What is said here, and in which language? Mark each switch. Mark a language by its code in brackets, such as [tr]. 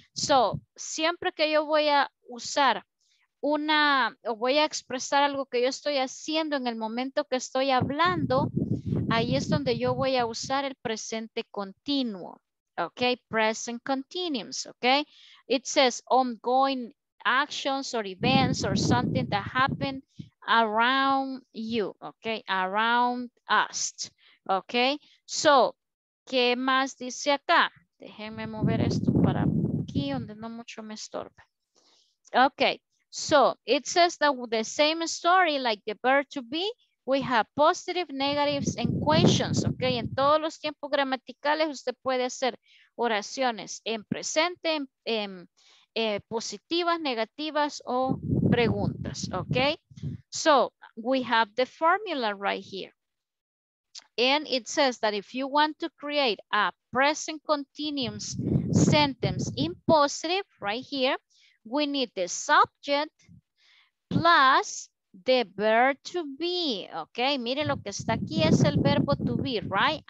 [es] So, siempre que yo voy a usar una, o voy a expresar algo que yo estoy haciendo en el momento que estoy hablando, ahí es donde yo voy a usar el presente continuo, okay? [en] Present continuous, okay? It says ongoing actions or events or something that happened around you, okay? Around us, okay? So, [es] ¿qué más dice acá? Déjenme mover esto para aquí donde no mucho me estorbe. [en] Okay, so it says that with the same story like the verb to be, we have positive, negatives, and questions, okay? [es] En todos los tiempos gramaticales usted puede hacer oraciones en presente, en positivas, negativas, o preguntas, okay? [en] So we have the formula right here. And it says that if you want to create a present continuous sentence in positive, right here, we need the subject plus the verb to be, okay? [es] Mire lo que está aquí, es el verbo to be, right?